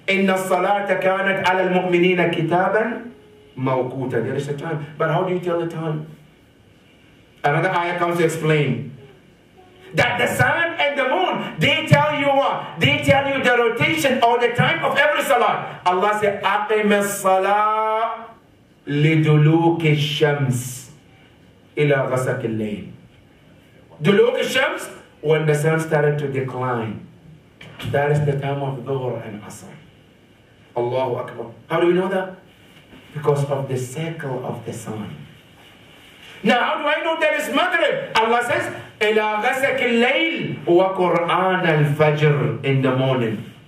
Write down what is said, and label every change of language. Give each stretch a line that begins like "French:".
Arabic: إِنَّ الصَّلَاةَ كَانَتْ عَلَى الْمُؤْمِنِينَ كِتَابًا مَوْكُوتًا.
English: There is a time. But how do you tell the time? Another ayah comes to explain that the sun and the moon, they tell you what? They tell you the rotation or the time of every salat.
Arabic: Allah said, أَقِمِ الصَّلَاةِ لِدُلُوكِ الشَّمْسِ إِلَى غَسَقِ اللَّيْلِ. دُلُوكِ الشَّمْسِ,
English: when the sun started to decline. That is the time of Dhuhr and Asr. Allahu Akbar. How do you know that? Because of the cycle of the sun. Now, how do I know there is Maghrib? Allah says,
Arabic: إِلَى غَسَكِ اللَّيْلِ وَقُرْآنَ الْفَجْرِ,
English: in the morning.